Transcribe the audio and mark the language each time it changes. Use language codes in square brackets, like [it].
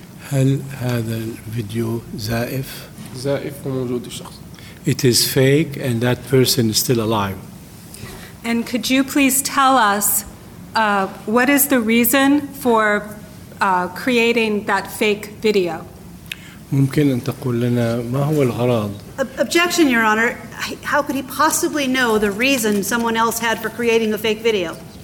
[ar] هل هذا الفيديو زائف؟ زائف وموجود الشخص. [en] It is fake and that person is still alive. And could you please tell us what is the reason for creating that fake video? [ar] ممكن أن تقول لنا ما هو الغرض؟ [en] Objection, Your Honor. How could he possibly know the reason someone else had for creating a fake video?